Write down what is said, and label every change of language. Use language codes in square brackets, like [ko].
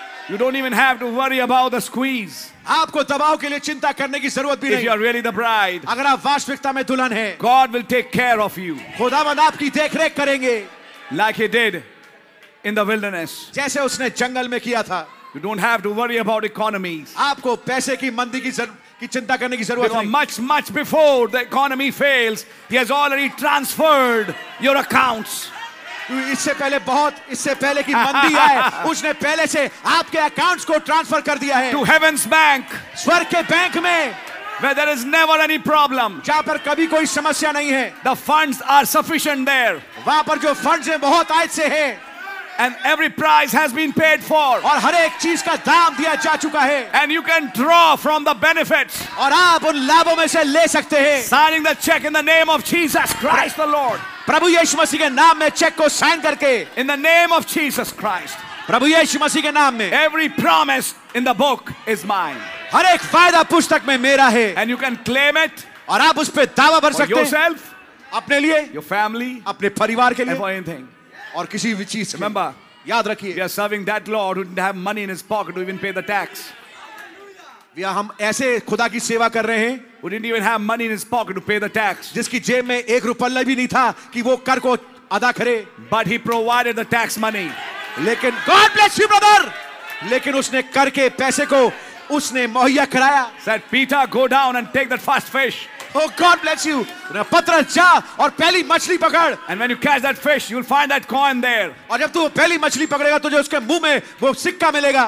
[en] You don't even have to worry about the squeeze. [hi] आपको दबाव के लिए चिंता करने की जरूरत भी नहीं. [en] If you are really the bride, [hi] अगर आप वास्तविकता में दुल्हन हैं, [en] God will take care of you. [hi] खुदावंद आपकी देखरेख करेंगे. [en] Like he did in the wilderness. [hi] जैसे उसने जंगल में किया था. [en] You don't have to worry about economies. [hi] आपको पैसे की मंदी की चिंता करने की जरूरत नहीं. [en] Much, much before the economy fails, he has already transferred your accounts. [hi] इससे पहले की मंदी आए, उसने पहले से आपके अकाउंट्स को ट्रांसफर कर दिया है. [en] To heaven's bank, [hi] स्वर्ग के बैंक में, [en] where there is never any problem, [hi] जहां पर कभी कोई समस्या नहीं है. [en] The funds are sufficient there, [hi] वहां पर जो फंड्स हैं बहुत आयत से हैं. [en] And every price has been paid for, [hi] और हर एक चीज का दाम दिया जा चुका है. [en] And you can draw from the benefits, [hi] और आप उन लाभों में से ले सकते हैं. [en] Signing the check in the name of Jesus Christ the Lord, [hi] प्रभु यीशु मसीह के नाम में चेक को साइन करके. [en] In the name of Jesus Christ, [hi] प्रभु यीशु मसीह के नाम में. [en] Every promise in the book is mine, [hi] हर एक वायदा पुस्तक में मेरा है. [en] And you can claim it, [hi] और आप उस पे दावा भर सकते [en] yourself, [hi] अपने लिए, [en] your family, [hi] अपने परिवार के लिए, [en] for anything, [hi] और किसी भी चीज. [en] Remember, [hi] याद रखिए, [en] we are serving that Lord who didn't have money in his pocket to even pay the tax. [hi] हम ऐसे खुदा की सेवा कर रहे हैं, [en] who didn't even have money in his pocket to pay the tax, [hi] जिसकी जेब में एक रुपया भी नहीं था कि वो कर को अदा करे. [en] But he provided the tax money. [hi] लेकिन [en] God bless you, brother. [hi] लेकिन उसने कर के पैसे को उसने मुहैया कराया. [en] Said Peter, go down and take that first fish. Oh God bless you. [hi] पत्रस जा और पहली मछली पकड़. [en] And when you catch that fish, you'll find that coin there. [hi] और जब तू पहली मछली पकड़ेगा, तुझे उसके मुंह में वो सिक्का मिलेगा.